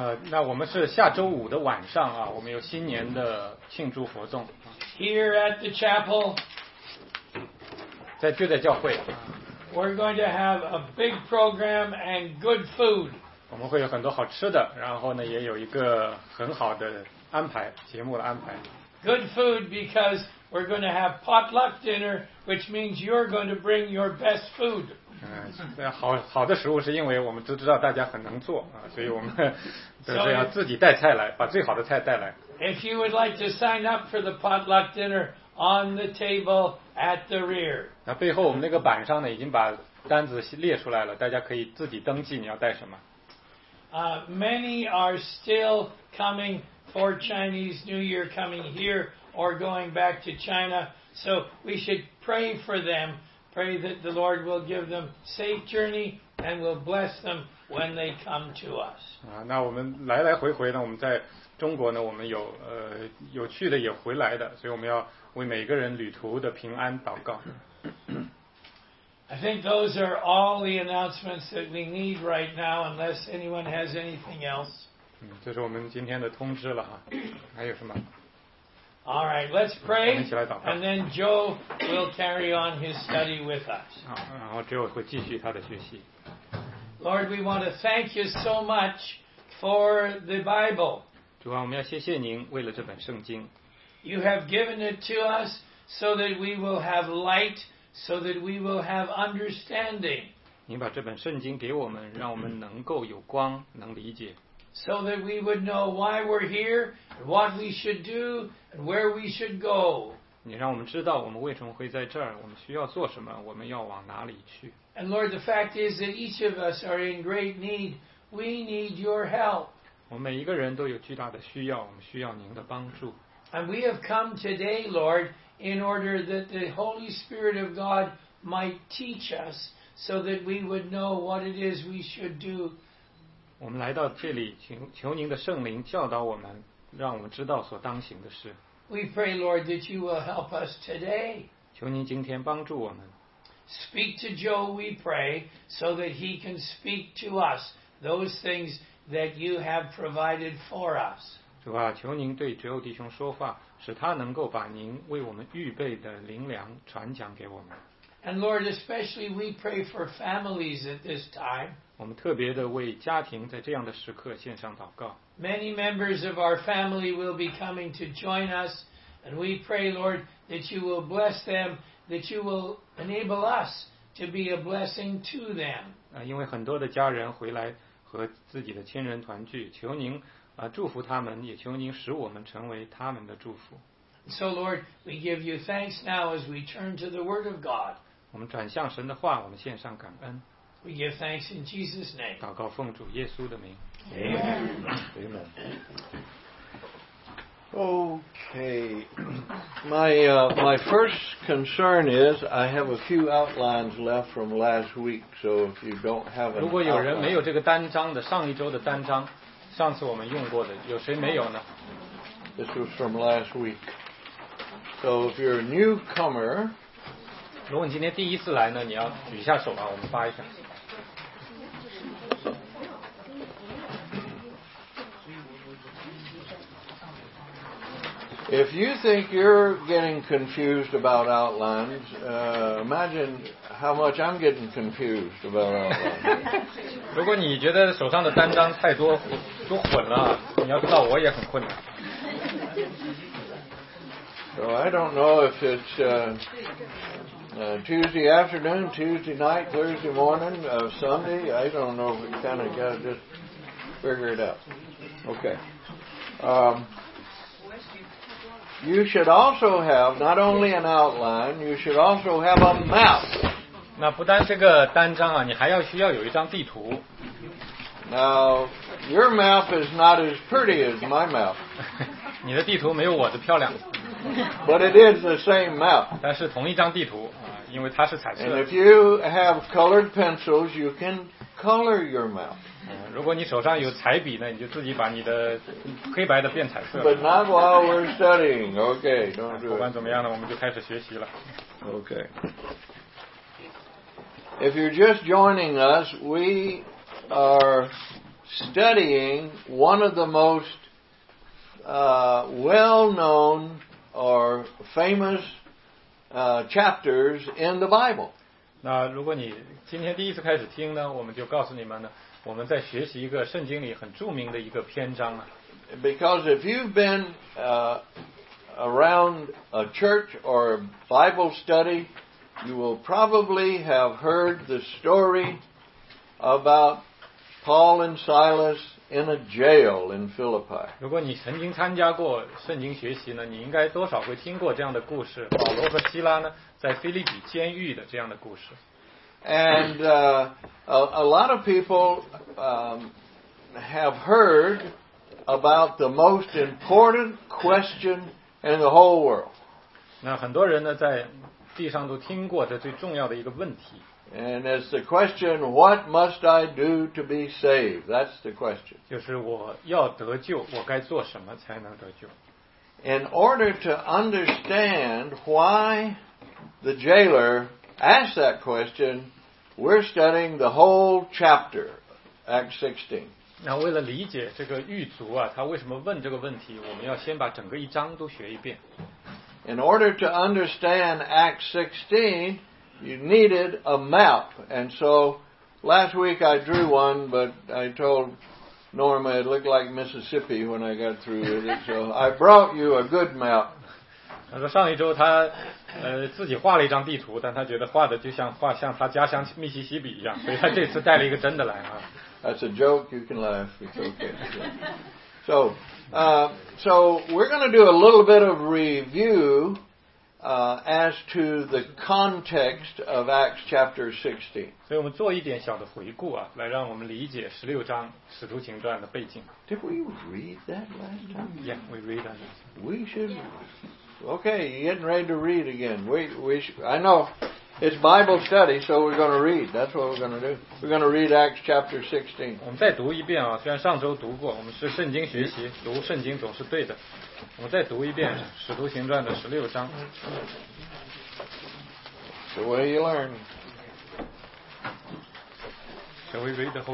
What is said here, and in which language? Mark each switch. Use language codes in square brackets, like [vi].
[zh] 那我们是下周五的晚上啊，我们有新年的庆祝活动。 [en] Here at the chapel, [zh] 在就在教会 [en] we're going to have a big program and good food. [zh] 我们会有很多好吃的，然后呢，也有一个很好的安排，节目的安排。 [en] Good food because we're going to have potluck dinner, which means you're going to bring your best food. [zh] 好的食物是因为我们都知道大家很能做啊，所以我们都是要自己带菜来，把最好的菜带来。 [en] If you would like to sign up for the potluck dinner on the table at the rear. [zh] 那背后我们那个板上呢，已经把单子列出来了，大家可以自己登记你要带什么。 [en] Many are still coming for Chinese New Year, coming here or going back to China. So we should pray for them. Pray that the Lord will give them safe journey and will bless them when they come to us. [zh] 那我们来来回回呢，我们在。中国呢，我们有有去的，也回来的，所以我们要为每个人旅途的平安祷告。 [en] I think those are all the announcements that we need right now, unless anyone has anything else. [zh] 这是我们今天的通知了哈，还有什么 [en] ？All right, let's pray. [zh] 我们一起来祷告。 [en] And then Joe will carry on his study with us. [zh] 然后 Joe 会继续他的学习。 [en] Lord, we want to thank you so much for the Bible. [zh] 主啊，我们要谢谢您为了这本圣经。 [en] You have given it to us so that we will have light, so that we will have understanding. [zh] 您把这本圣经给我们，让我们能够有光，能理解。 [en] So that we would know why we're here, what we should do, and where we should go. [zh] 你让我们知道我们为什么会在这儿，我们需要做什么，我们要往哪里去。 [en] And Lord, the fact is that each of us are in great need. We need your help. [zh] 我们每一个人都有巨大的需要，我们需要您的帮助。 [en] And we have come today, Lord, in order that the Holy Spirit of God might teach us so that we would know what it is we should do. [zh] 我们来到这里，求您的圣灵教导我们，让我们知道所当行的事。 [en] We pray, Lord, that you will help us today. [zh] 求您今天帮助我们。 [en] Speak to Joe, we pray, so that he can speak to us those things that you have provided for us. [zh] 主啊，求您对Joe弟兄说话，使他能够把您为我们预备的灵粮传讲给我们。 [en] And Lord, especially we pray for families at this time. [zh] 我们特别的为家庭在这样的时刻献上祷告。 [en] Many members of our family will be coming to join us, and we pray, Lord, that you will bless them, that you will enable us to be a blessing to them. [zh] 因为很多的家人回来和自己的亲人团聚，求您祝福他们，也求您使我们成为他们的祝福。 [en] So Lord, we give you thanks now as we turn to the Word of God. [zh] 我们转向神的话，我们献上感恩。 [en] We give thanks in Jesus' name. [zh] 祷告奉主耶稣的名。 [en] Amen. Amen. Okay. My first concern is I have a few outlines left from last week. So if you don't have an, [zh] 如果有人没有这个单张的上一周的单张，上次我们用过的，有谁没有呢？ [en] This was from last week. So if you're a newcomer, [zh] 如果你今天第一次来呢，你要举一下手啊，我们发一下。 [en] If you think you're getting confused about outlines, imagine how much I'm getting confused about outlines. [zh] 如果你觉得手上的单张太多，都混了，你要知道我也很困难。 [en] So I don't know if it's Tuesday afternoon, Tuesday night, Thursday morning, Sunday. I don't know. We kind of got to just figure it out. Okay. You should also have not only an outline, you should also have a map. [zh] 那不单是个单张啊，你还要需要有一张地图。 [en] Now, your map is not as pretty as my map. [zh] 你的地图没有我的漂亮。 [en] But it is the same map. [zh] 但是同一张地图啊，因为它是彩色。 [en] And if you have colored pencils, you can color your map. [zh] 如果你手上有彩笔呢，你就自己把你的黑白的变彩色。 [en] But not while we're studying, okay. Don't do it. [zh] 不管怎么样呢，我们就开始学习了。 [en] Okay. If you're just joining us, we are studying one of the most well-known or famous chapters in the Bible. [zh] 那如果你今天第一次开始听呢，我们就告诉你们呢，我们在学习一个圣经里很著名的一个篇章啊。 [en] Because if you've been around a church or a Bible study, you will probably have heard the story about Paul and Silas in a jail in Philippi. [zh] 如果你曾经参加过圣经学习呢，你应该多少会听过这样的故事，保罗和希拉呢在腓立比监狱的这样的故事。 [en] And a lot of people have heard about the most important question in the whole world. [zh] 那很多人呢在地上都听过这最重要的一个问题。 [en] And it's the question, what must I do to be saved? That's the question. [zh] 就是我要得救，我该做什么才能得救？ [en] In order to understand why the jailer asked that question, we're studying the whole chapter, Acts 16. [zh] 那为了理解这个狱卒啊，他为什么问这个问题，我们要先把整个一章都学一遍。 [en] In order to understand Acts 16, you needed a map. And so last week I drew one, but I told Norma it looked like Mississippi when I got through with it. So I brought you a good map. [zh] 他说上一周他自己画了一张地图，但他觉得画的就像画像他家乡密西西比一样，所以他这次带了一个真的来啊。 [en] That's a joke. You can laugh. It's okay. So, so we're going to do a little bit of review as to the context of Acts chapter 16. [zh] 所以我们做一点小的回顾啊，来让我们理解十六章《使徒行传》的背景。 [en] Did we read that last time? Yeah, we read that. We should. Okay, you're getting ready to read again. We should. I know. It's Bible study, so we're going to read. That's what we're going to do. We're going to read Acts chapter 16. [zh] 我们再读一遍啊，虽然上周读过，我们是圣经学习，读圣经总是对的。我们再读一遍《使徒行传》的16章。 [en] The way you learn. Shall we read the whole